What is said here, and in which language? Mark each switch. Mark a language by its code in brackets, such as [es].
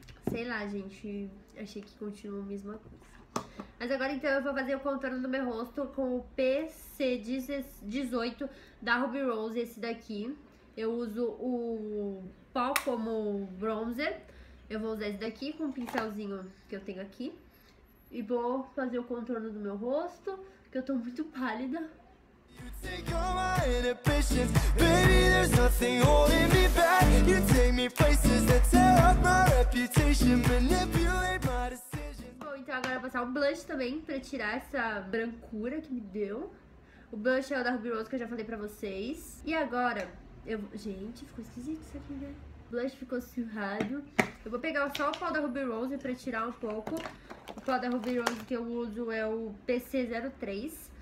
[pt] Sei lá, gente. Achei que continua a mesma coisa. Mas agora, então, eu vou fazer o contorno do meu rosto com o PC18 da Ruby Rose, esse daqui. Eu uso o pó como bronzer. Eu vou usar esse daqui com o pincelzinho que eu tenho aqui. E vou fazer o contorno do meu rosto, que eu tô muito pálida. [en] You take all my inhibitions, baby, there's nothing holding me back. You take me places that tear up my reputation, manipulate my decisions. [pt] Bom, então agora eu vou passar um blush também pra tirar essa brancura que me deu. O blush é o da Ruby Rose que eu já falei pra vocês. E agora, gente, ficou esquisito isso aqui, né? O blush ficou surrado. Eu vou pegar só o pó da Ruby Rose pra tirar um pouco. O pó da Ruby Rose que eu uso é o PC03.